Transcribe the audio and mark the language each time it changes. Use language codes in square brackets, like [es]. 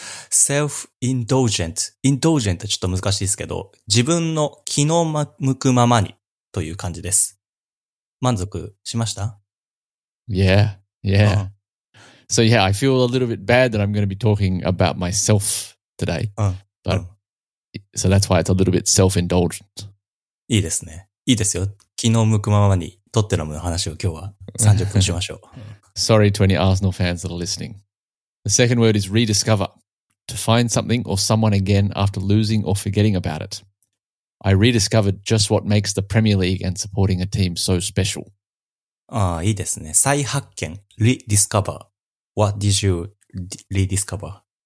[ja] self-indulgent. Indulgent はちょっと難しいですけど、自分の気の向くままにという感じです。満足しました? [en] Yeah, yeah. Uh-huh. So yeah, I feel a little bit bad that I'm going to be talking about myself today. But so that's why it's a little bit self-indulgent. [ja] いいですね。いいですよ。気の向くままにトッテナムの話を今日は30分しましょう。 [en] Sorry to any Arsenal fans that are listening. The second word is rediscover. To find something or someone again after losing or forgetting about it. I rediscovered just what makes the Premier League and supporting a team so special. [ja] ああ、いいですね。再発見。 [en] Rediscover. What did you rediscover?